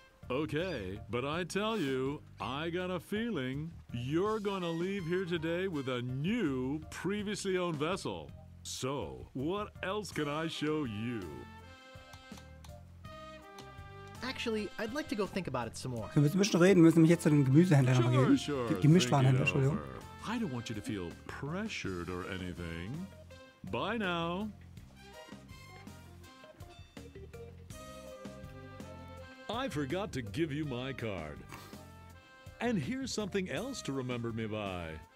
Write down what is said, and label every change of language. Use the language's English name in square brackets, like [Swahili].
[English] Okay, but I tell you, I got a feeling you're gonna leave here today with a new, previously owned vessel. So, what else can I show you? Actually, I'd like to go think about it some more. [German] Wir müssen reden, müssen nämlich jetzt zu dem Gemüsehändler noch gehen. Gemischwarenhändler, Entschuldigung. [English] I don't want you to feel pressured or anything. Bye now. I forgot to give you my card. And here's something else to remember me by.